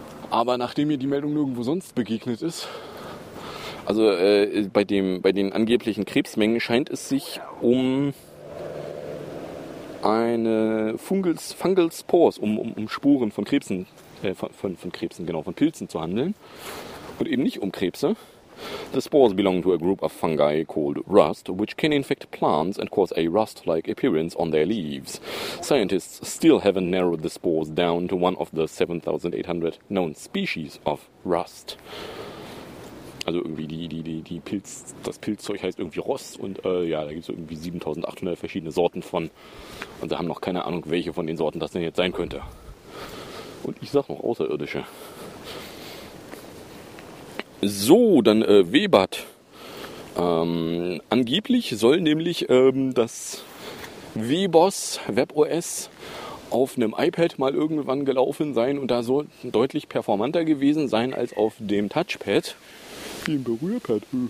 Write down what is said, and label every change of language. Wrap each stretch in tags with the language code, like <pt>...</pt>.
<de>Aber nachdem mir die Meldung nirgendwo sonst begegnet ist, also bei den angeblichen Krebsmengen scheint es sich um eine</de> <en>Fungal Spores,</en> <de>um Sporen von Krebsen, von Krebsen, genau, von Pilzen zu handeln und eben nicht um Krebse.</de> <en>The spores belong to a group of fungi called rust, which can infect plants and cause a rust-like appearance on their leaves. Scientists still haven't narrowed the spores down to one of the 7,800 known species of rust.</en> <de>Also irgendwie das Pilzzeug heißt irgendwie Rost und ja, da gibt es irgendwie 7,800 verschiedene Sorten von. Und sie haben noch keine Ahnung, welche von den Sorten das denn jetzt sein könnte. Und ich sag noch Außerirdische. So, dann Webat. Angeblich soll nämlich das WBOS, WebOS, auf einem iPad mal irgendwann gelaufen sein und da so deutlich performanter gewesen sein als auf dem Touchpad. Dem Berührpad.</de>